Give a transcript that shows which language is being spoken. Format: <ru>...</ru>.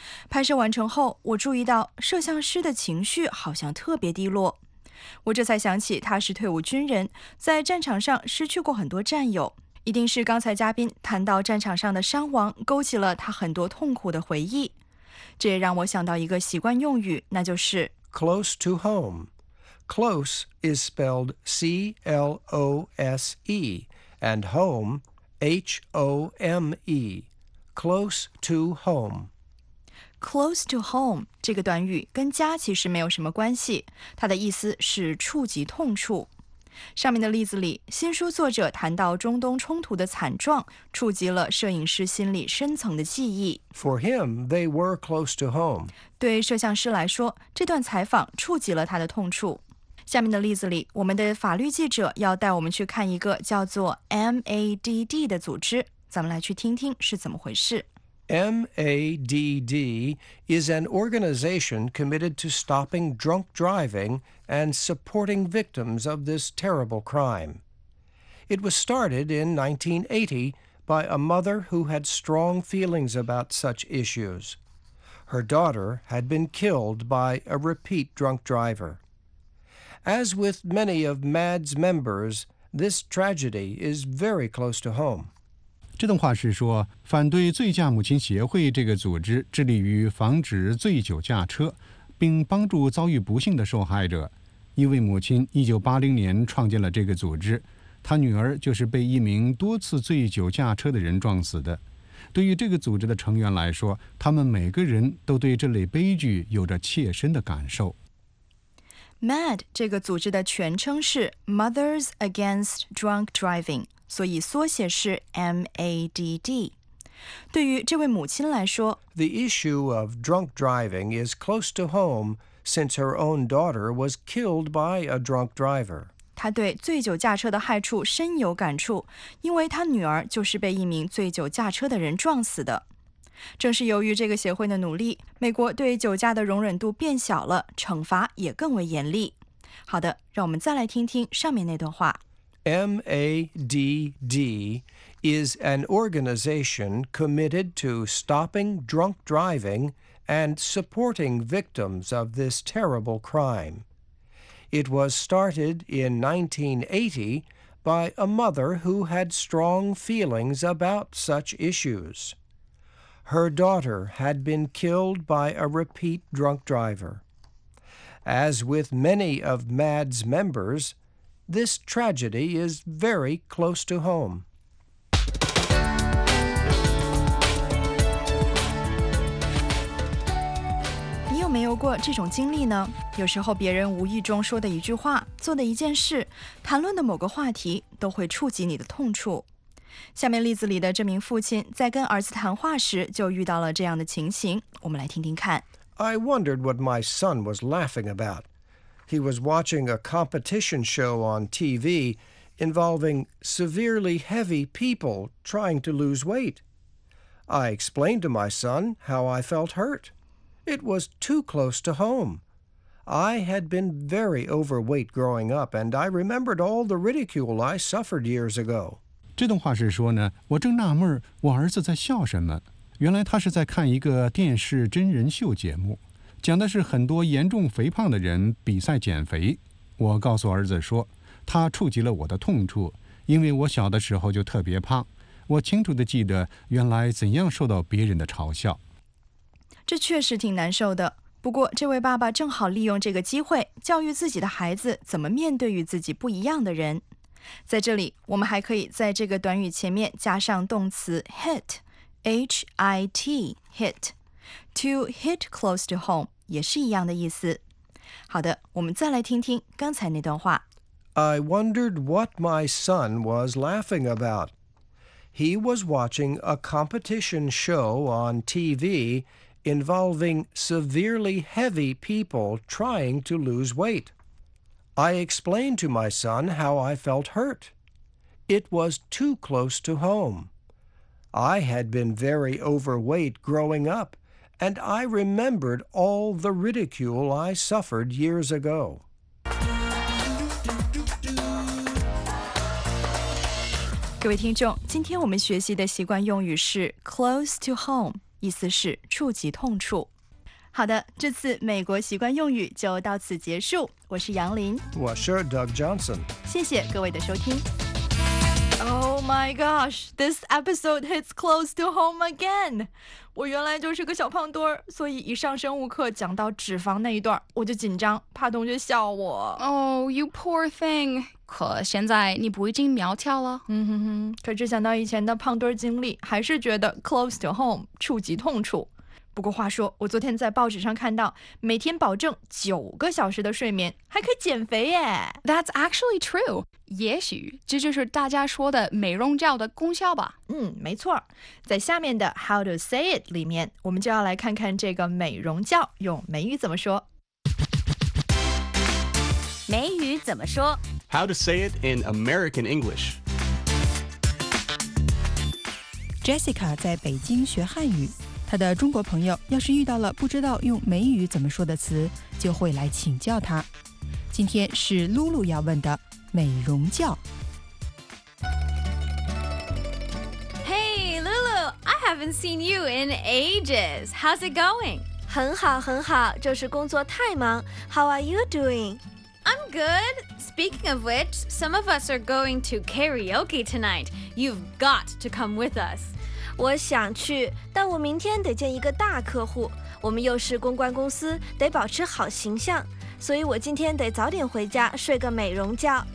<zh>拍摄完成后，我注意到摄像师的情绪好像特别低落，我这才想起他是退伍军人，在战场上失去过很多战友，一定是刚才嘉宾谈到战场上的伤亡勾起了他很多痛苦的回忆。这也让我想到一个习惯用语，那就是</zh> <en>close to home. Close is spelled C-L-O-S-E and home, H-O-M-E. Close to home.</en> <zh>Close to home 这个短语跟家其实没有什么关系，它的意思是触及痛处。上面的例子里，新书作者谈到中东冲突的惨状，触及了摄影师心里深层的记忆。</zh> <en>For him, they were close to home.</en> <zh>对摄像师来说，这段采访触及了他的痛处。下面的例子里，我们的法律记者要带我们去看一个叫做 MADD 的组织，咱们来去听听是怎么回事。</zh> <en>MADD is an organization committed to stopping drunk driving and supporting victims of this terrible crime. It was started in 1980 by a mother who had strong feelings about such issues. Her daughter had been killed by a repeat drunk driver. As with many of MAD's members, this tragedy is very close to home.</en> <zh>这段话是说，反对醉驾母亲协会这个组织致力于防止醉酒驾车，并帮助遭遇不幸的受害者。一位母亲1980年创建了这个组织，她女儿就是被一名多次醉酒驾车的人撞死的。对于这个组织的成员来说，他们每个人都对这类悲剧有着切身的感受。 MAD 这个组织的全称是 Mothers Against Drunk Driving， 所以缩写是 MADD。对于这位母亲来说</zh> <en>，The issue of drunk driving is close to home since her own daughter was killed by a drunk driver。</en> <zh>她对醉酒驾车的害处深有感触，因为她女儿就是被一名醉酒驾车的人撞死的。正是由于这个协会的努力，美国对酒驾的容忍度变小了，惩罚也更为严厉。好的，让我们再来听听上面那段话。</zh> <en>MADD is an organization committed to stopping drunk driving and supporting victims of this terrible crime. It was started in 1980 by a mother who had strong feelings about such issues. Her daughter had been killed by a repeat drunk driver. As with many of MAD's members,This tragedy is very close to home.</en> <zh>你有没有过这种经历呢？有时候别人无意中说的一句话，做的一件事，谈论的某个话题，都会触及你的痛处。下面例子里的这名父亲在跟儿子谈话时就遇到了这样的情形，我们来听听看。</zh> <en>I wondered what my son was laughing about. He was watching a competition show on TV involving severely heavy people trying to lose weight. I explained to my son how I felt hurt. It was too close to home. I had been very overweight growing up, and I remembered all the ridicule I suffered years ago.</en> <zh>这段话是说呢，我正纳闷我儿子在笑什么。原来他是在看一个电视真人秀节目。讲的是很多严重肥胖的人比赛减肥。我告诉儿子说，他触及了我的痛处，因为我小的时候就特别胖。我清楚地记得原来怎样受到别人的嘲笑。这确实挺难受的。不过这位爸爸正好利用这个机会教育自己的孩子怎么面对与自己不一样的人。在这里，我们还可以在这个短语前面加上动词 hit, H-I-T, hit. To hit close to home 也是一样的意思。好的，我们再来听听刚才那段话。</zh> <en>I wondered what my son was laughing about. He was watching a competition show on TV involving severely heavy people trying to lose weight. I explained to my son how I felt hurt. It was too close to home. I had been very overweight growing up. And I remembered all the ridicule I suffered years ago.</en> <zh>各位听众，今天我们学习的习惯用语是 close to home， 意思是触及痛处。好的，这次美国习惯用语就到此结束。我是杨林，我是 Doug Johnson。谢谢各位的收听。</zh> <en>Oh my gosh, this episode hits close to home again.</en> <zh>我原来就是个小胖墩儿，所以一上生物课讲到脂肪那一段，我就紧张，怕同学笑我。</zh> <en>Oh, you poor thing.</en> <zh>可现在你不已经苗条了？可是想到以前的胖墩儿经历，还是觉得 close to home 触及痛处。不过话说，我昨天在报纸上看到，每天保证9个小时的睡眠，还可以减肥耶。</zh> <en>That's actually true.</en> <zh>也许这就是大家说的美容觉的功效吧。嗯，没错。在下面的 How to say it 里面，我们就要来看看这个美容觉用美语怎么说。美语怎么说？</zh> <en>How to say it in American English.</en> <zh>Jessica 在北京学汉语。他的中国朋友要是遇到了不知道用美语怎么说的词，就会来请教他。今天是露露要问的美容觉。</zh> <en>Hey, Lulu, I haven't seen you in ages. How's it going?</en> <zh>很好，很好，就是工作太忙。</zh> <en>How are you doing? I'm good. Speaking of which, some of us are going to karaoke tonight. You've got to come with us.</en> <zh>我想去，但我明天得见一个大客户。我们又是公关公司，得保持好形象，所以我今天得早点回家睡个美容觉。</zh>